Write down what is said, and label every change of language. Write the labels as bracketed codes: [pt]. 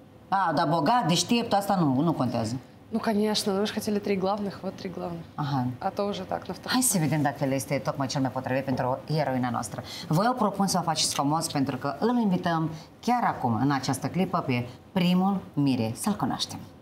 [ro] Dar bogat, deștept, asta nu contează. [ru] Ну, конечно, но вы же хотели три главных, вот три главных. Ага. А то уже так, на втором. [ro] Hai să vedem dacă este tocmai cel mai potrivit pentru eroina noastră. Vă propun să o faceți frumos pentru că îl invităm chiar acum, în această clipă, pe primul Mire. Să-l cunoaștem.